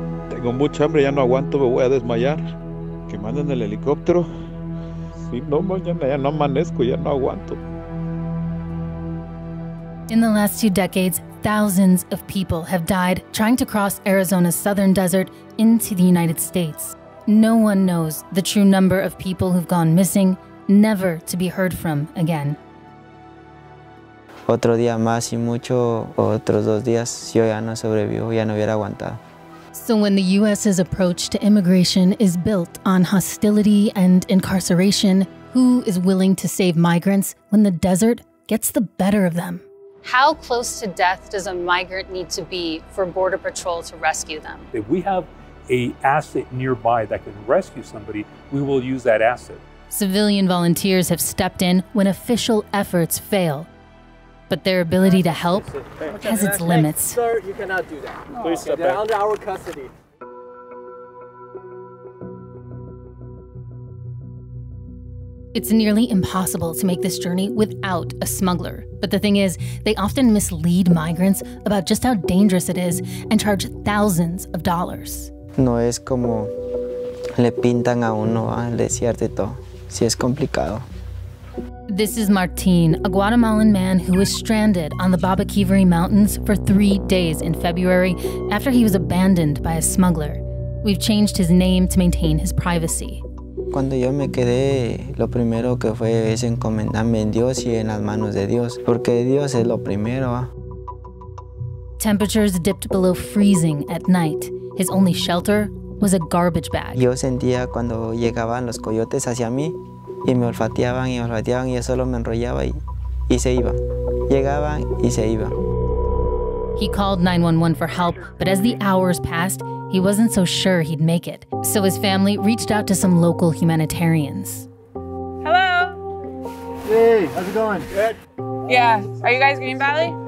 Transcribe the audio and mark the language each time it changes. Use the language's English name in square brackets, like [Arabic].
[Spanish] Tengo mucha hambre, ya no aguanto, me voy a desmayar. Que manden el helicóptero. Si no, mañana ya no amanezco, ya no aguanto. [English] In the last 2 decades, thousands of people have died trying to cross Arizona's southern desert into the United States. No one knows the true number of people who've gone missing, never to be heard from again. [Spanish] Otro día más y mucho, otros 2 días, si yo ya no sobrevivo, ya no hubiera aguantado. [English] So when the U.S.'s approach to immigration is built on hostility and incarceration, who is willing to save migrants when the desert gets the better of them? How close to death does a migrant need to be for Border Patrol to rescue them? If we have an asset nearby that can rescue somebody, we will use that asset. Civilian volunteers have stepped in when official efforts fail. But their ability to help has its limits. Hey, sir, you cannot do that. No. Please step back. Under our custody. It's nearly impossible to make this journey without a smuggler. But the thing is, they often mislead migrants about just how dangerous it is and charge thousands of dollars. [Spanish] No es como le pintan a uno al desierto. Sí es complicado. [English] This is Martin, a Guatemalan man who was stranded on the Babaquivir Mountains for 3 days in February after he was abandoned by a smuggler. We've changed his name to maintain his privacy. [Spanish] Cuando yo me quedé, lo primero que fue es encomendarme en Dios y en las manos de Dios, porque Dios es lo primero. [English] Temperatures dipped below freezing at night. His only shelter was a garbage bag. [Spanish] Yo sentía cuando llegaban los coyotes hacia mí, y me olfateaban y olfateaban y yo solo me enrollaba y se iba. Llegaba y se iba. [English] He called 911 for help, but as the hours passed, he wasn't so sure he'd make it. So his family reached out to some local humanitarians. Hello. Hey, how's it going? Good. Yeah, are you guys Green Valley?